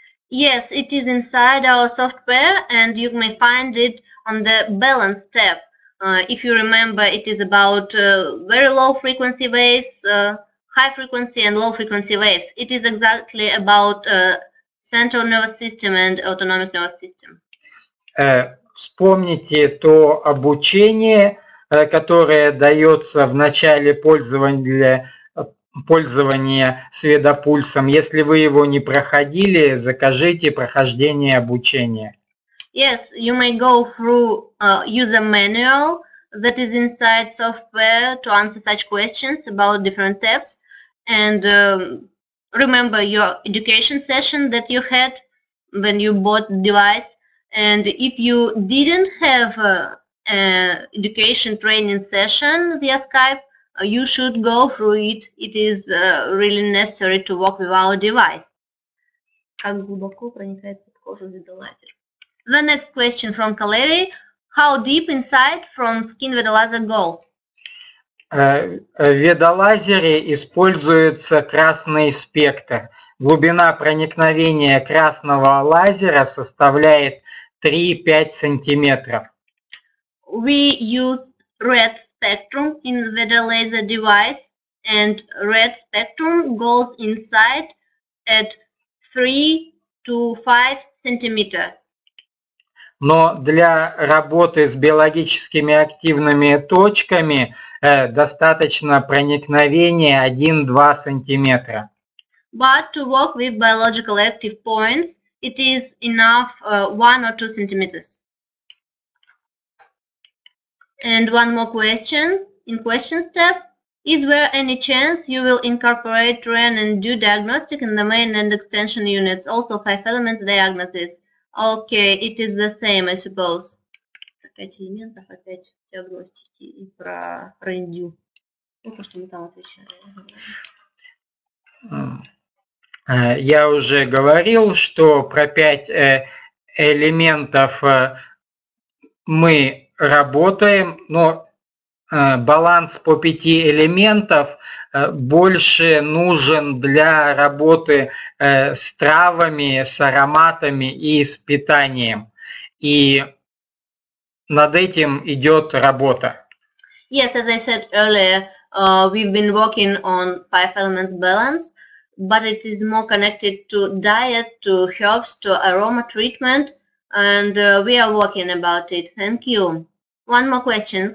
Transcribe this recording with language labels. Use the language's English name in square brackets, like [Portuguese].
[English] Yes, it is inside our software and you may find it on the balance tab. If you remember, it is about very low frequency waves, high frequency and low frequency waves. It is exactly about central nervous system and autonomic nervous system. [Russian] Вспомните то обучение, которое дается в начале пользования сведопульсом. Если вы его не проходили, закажите прохождение обучения. [English] Yes, you may go through user manual that is inside software to answer such questions about different tabs. And remember your education session that you had when you bought the device. And if you didn't have an education training session via Skype, you should go through it. It is really necessary to work with our device. [Russian] Как глубоко проникает под кожу видеолазер? [English] The next question from Kaleri. How deep inside from skin vedolaser goes? [Russian] В видеолазере используется красный спектр. Глубина проникновения красного лазера составляет 3-5 сантиметров. [English] We use red spectrum in vedolaser device and red spectrum goes inside at 3-5 centimeters. [Russian] Но для работы с биологическими активными точками достаточно проникновения 1-2 сантиметра. [English] But to work with biological active points, it is enough 1-2 centimeters. And one more question in question step. Is there any chance you will incorporate REN and do diagnostic in the main and extension units, also 5-element diagnosis? Okay, it is the same, I suppose. [Russian] Опять элементов, опять диагностики и про индю. Ну, то, что мы там отвечали. Я уже говорил, что про 5 элементов мы работаем, но баланс по 5 элементов больше нужен для работы с травами, с ароматами и с питанием. И над этим идет работа. [English] Yes, as I said earlier, we've been working on 5-element balance, but it is more connected to diet, to herbs, to aroma treatment, and we are working about it. Thank you. One more question.